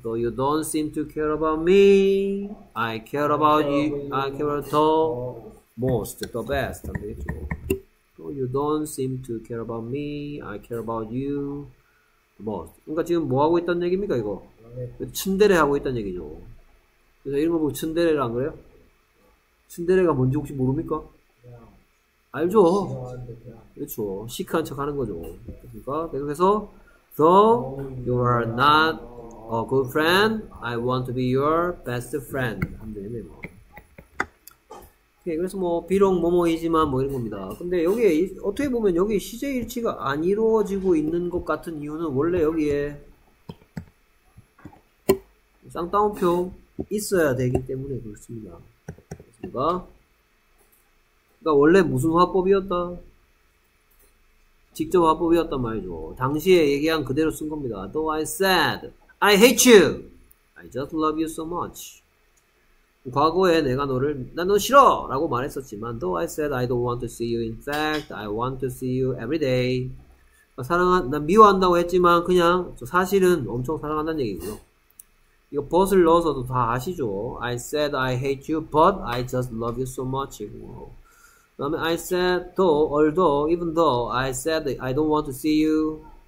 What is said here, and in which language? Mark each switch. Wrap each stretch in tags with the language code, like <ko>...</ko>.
<en>Though you don't seem to care about me, I care about you. I care the most, the best.</en> <ko>안 되겠죠?</ko> <en>Though you don't seem to care about me, I care about you.</en> <ko>뭐, 그러니까 지금 뭐 하고 있다는 얘기입니까, 이거? 츤데레 하고 있다는 얘기죠. 그래서 이런 거 보고 츤데레라 안 그래요? 츤데레가 뭔지 혹시 모릅니까? 알죠? 그렇죠. 시크한 척 하는 거죠. 그러니까 계속해서</ko> <en>Though you are not a good friend, I want to be your best friend.</en> <ko>안 되네, 뭐. 오케이, 그래서 뭐, 비록 뭐뭐이지만 뭐 이런 겁니다. 근데 여기에, 어떻게 보면 여기 시제 일치가 안 이루어지고 있는 것 같은 이유는 원래 여기에 쌍따옴표 있어야 되기 때문에 그렇습니다. 그렇습니까? 그러니까 원래 무슨 화법이었다? 직접 화법이었단 말이죠. 당시에 얘기한 그대로 쓴 겁니다.</ko> <en>Though I said, I hate you. I just love you so much.</en> <ko>과거에 내가 너를, 난너 싫어! 라고 말했었지만,</ko> <en>Though I said, I don't want to see you. In fact, I want to see you every day.</en> <ko>사랑한, 난 미워한다고 했지만, 그냥, 저 사실은 엄청 사랑한다는 얘기고요. 이거 but을 넣어서도 다 아시죠?</ko> <en>I said, I hate you, but I just love you so much.</en> <ko>그 다음에</ko> <en>I said, though, although, even though, I said, I don't want to see you.</en>